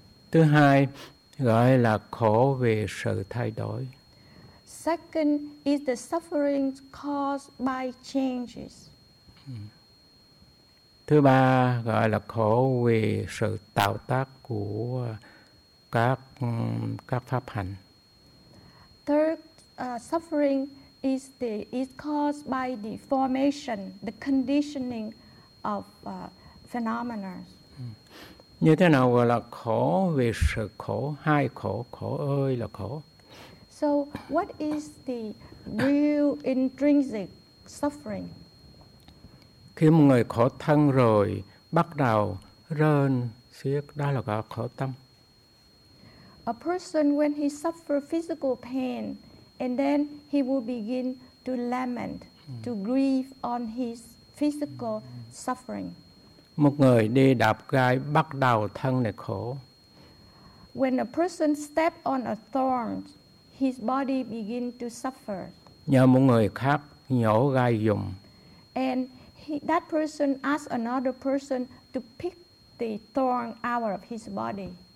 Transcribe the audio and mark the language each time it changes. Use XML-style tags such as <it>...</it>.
<vi>Thứ hai gọi là khổ về sự thay đổi.</vi> <en>Second is the suffering caused by changes.</en> <vi>Thứ ba gọi là khổ về sự tạo tác của các pháp hành.</vi> <en>Third suffering is caused by the formation, the conditioning of phenomena.</en> <vi>Như thế nào gọi là khổ về sự khổ, hai khổ, khổ ơi là khổ.</vi> <en>So what is the real intrinsic suffering?</en> <vi>Khi một người khổ thân rồi, bắt đầu rên, xiết, đó là gọi khổ tâm.</vi> <en>A person when he suffers physical pain, and then he will begin to lament, to grieve on his physical suffering.</en> <vi>Một người đi đạp gai bắt đầu thân này khổ.</vi> <en>When a person step on a thorn, his body begin to suffer.</en> <vi>Nhờ một người khác nhổ gai dùm.</vi> <en>And that person ask another person to pick the thorn out of his body.</en>